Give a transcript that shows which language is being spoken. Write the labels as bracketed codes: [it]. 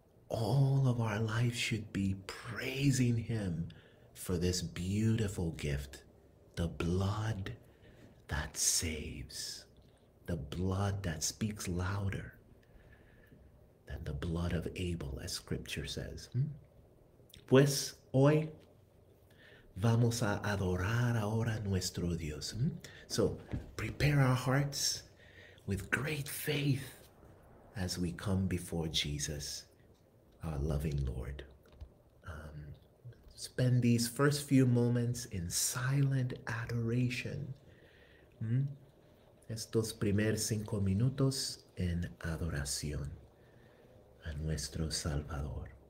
[en] All of our life should be praising Him for this beautiful gift, the blood that saves, the blood that speaks louder than the blood of Abel, as scripture says. [es] Pues hoy vamos a adorar ahora nuestro Dios. [en] So prepare our hearts with great faith as we come before Jesus, our loving Lord. Spend these first few moments in silent adoration. [es] Estos primeros cinco minutos en adoración a nuestro Salvador.